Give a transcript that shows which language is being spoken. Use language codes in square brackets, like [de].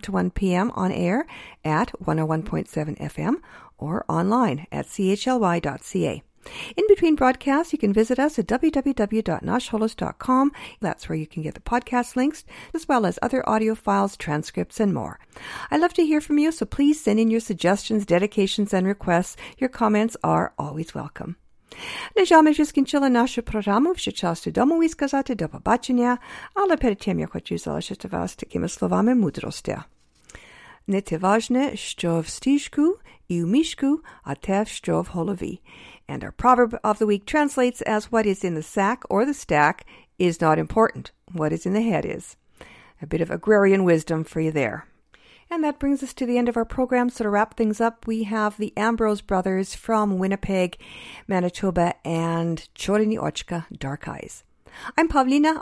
[en] to 1 p.m. on air at 101.7 FM or online at chly.ca. In between broadcasts, you can visit us at www.noshholos.com. That's where you can get the podcast links, as well as other audio files, transcripts, and more. I'd love to hear from you, so please send in your suggestions, dedications, and requests. Your comments are always welcome. [uk] Нежа ми вже скінчили нашу програму. Вже час додому і сказати до побачення. Але перед тим я хочу залишити вас такими словами мудрості. Не те важне, що в стіжку і в мішку, а те, що в голові. [en] And our proverb of the week translates as what is in the sack or the stack is not important. What is in the head is. A bit of agrarian wisdom for you there. And that brings us to the end of our program. So to wrap things up, we have the Ambrose brothers from Winnipeg, Manitoba, and Chorini Ochka, Dark Eyes. I'm Pavlina.